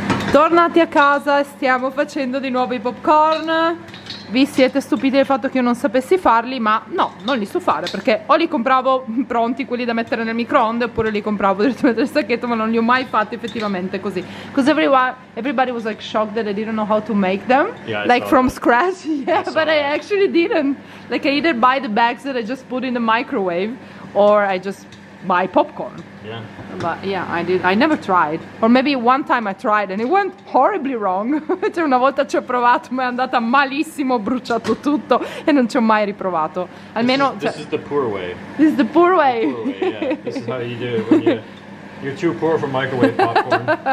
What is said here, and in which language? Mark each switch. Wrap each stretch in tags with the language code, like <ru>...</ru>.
<it>Tornati a casa, stiamo facendo di nuovo i popcorn. Vi siete stupiti del fatto che io non sapessi farli, ma no, non li so fare, perché o li compravo pronti, quelli da mettere nel microonde, oppure li compravo direttamente nel sacchetto, ma non li ho mai fatti effettivamente così.</it> <en>Because everybody was like shocked that I didn't know how to make them, yeah, like from scratch, yeah, but I actually didn't. Like I either buy the bags that I just put in the microwave, or I just buy popcorn. Yeah. But yeah, I did. I never tried. Or maybe one time I tried and it went horribly wrong.</en> <it>Cioè una volta ci ho provato, ma è andata malissimo, ho bruciato tutto e non ci ho mai riprovato. Almeno</it> <en>this is the poor way. This is the poor way. The poor way, yeah. This is how you do it when you're too poor for microwave popcorn.</en>